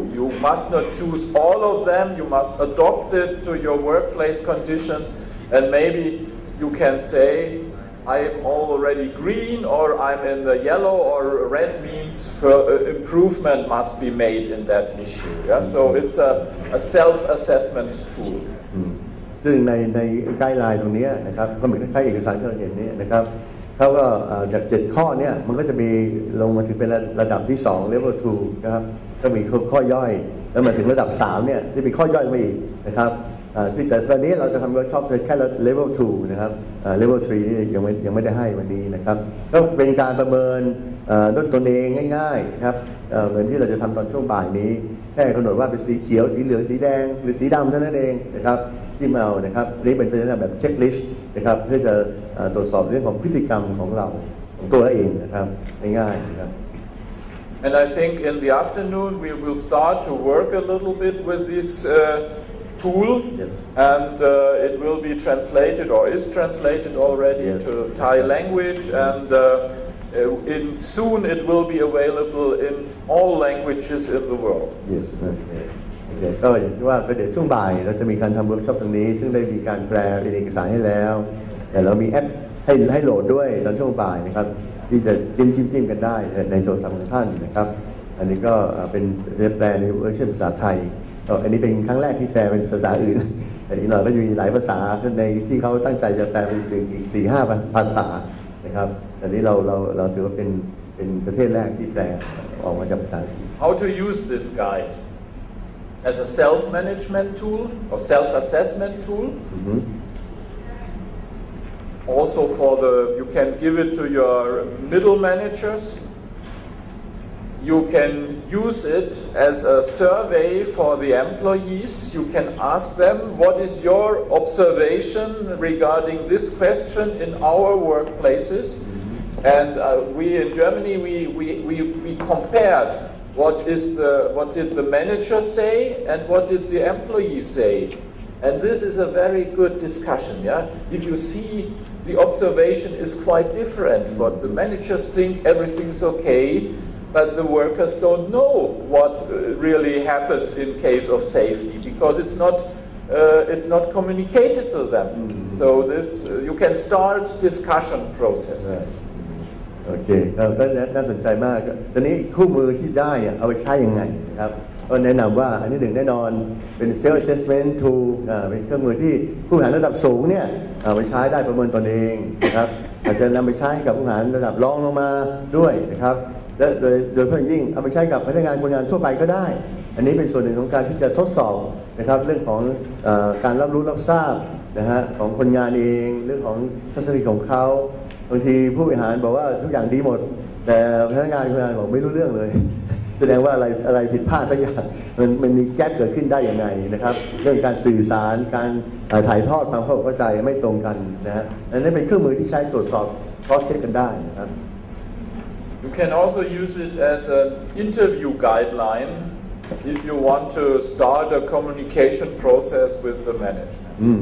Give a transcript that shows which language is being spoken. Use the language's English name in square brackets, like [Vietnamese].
[English] You must not choose all of them. You must adopt it to your workplace conditions. And maybe you can say, I am already green, or I'm in the yellow, or red means improvement must be made in that issue. Yeah, so it's a self-assessment tool. [Thai] ซึ่งในไกด์ไลน์ตรงนี้นะครับก็เหมือนกับเอกสารที่เราเห็นนี้นะครับเขาก็จากเจ็ดข้อเนี่ยมันก็จะมีลงมาถึงเป็นระดับที่สอง level 2นะครับก็มีข้อย่อยแล้วมาถึงระดับ3เนี่ยที่มีข้อย่อยมาอีกนะครับ แต่ตอนนี้เราจะทำเวิร์กช็อปแค่level 2นะครับlevel 3ยังไม่ได้ให้วันนี้นะครับก็เป็นการประเมินด้วยตนเองง่ายๆครับเหมือนที่เราจะทำตอนช่วงบ่ายนี้แค่กำหนดว่าเป็นสีเขียวสีเหลืองสีแดงหรือสีดำเท่านั้นเองนะครับที่มาเอานะครับนี่เป็นเรื่องแบบเช็คลิสต์นะครับเพื่อจะตรวจสอบเรื่องของพฤติกรรมของเราตัวเองนะครับง่ายๆครับ [English] And I think in the afternoon we will start to work a little bit with thisTool, yes. And it will be translated or is translated already yes. to Thai language, and in soon it will be available in all languages in the world. Yes. Okay. So, as I said, we will have a workshop in the morning, which has been translated into English. And we have an app to download as well in the morning, so that you can use it in the phone of your friends. This is a translation in the Thai language. [Thai] อันนี้เป็นครั้งแรกที่แปลเป็นภาษาอื่นอันนี้เราก็จะมีหลายภาษาในที่เขาตั้งใจจะแปลเป็นถึงอีก 4-5 ภาษานะครับอันนี้เราถือว่าเป็นประเทศแรกที่แปลออกมาจากภาษา [English] How to use this guide as a self management tool or self assessment tool mm-hmm. Also for the you can give it to your middle managersYou can use it as a survey for the employees. You can ask them, what is your observation regarding this question in our workplaces? And we in Germany, we compared what did the manager say and what did the employee say. And this is a very good discussion, yeah? If you see the observation is quite different, what the managers think everything is okay,But the workers don't know what really happens in case of safety because it's not communicated to them. Mm-hmm. So this you can start discussion processes. [Thai] Okay, ก็น่าสนใจมากตอนนี้คู่มือที่ได้เอาไปใช้ยังไงครับก็แนะนำว่าอันนี้หนึ่งแน่นอนเป็น [English] self assessment tool [Thai] เป็นเครื่องมือที่ผู้หาระดับสูงเนี่ยเอาไปใช้ได้ประเมินตนเองนะครับอาจจะนำไปใช้กับผู้หาระดับรองลงมาด้วยนะครับและโดยเพิ่มยิ่งเอาไปใช้กับพนักงานคนงานทั่วไปก็ได้อันนี้เป็นส่วนหนึ่งของการที่จะทดสอบนะครับเรื่องของ การรับรู้รับทราบนะฮะของคนงานเองเรื่องของทัศนคติของเขาบางทีผู้บริหารบอกว่าทุกอย่างดีหมดแต่พนักงานคนงานบอกไม่รู้เรื่องเลยแสดงว่าอะไรผิดพลาดสักอย่างมันมีแก๊ปเกิดขึ้นได้อย่างไรนะครับเรื่องการสื่อสารการถ่ายทอดความเข้าใจไม่ตรงกันนะฮะอันนี้เป็นเครื่องมือที่ใช้ตรวจสอบข้อเท็จจริงกันได้นะครับ [English] You can also use it as an interview guideline if you want to start a communication process with the management.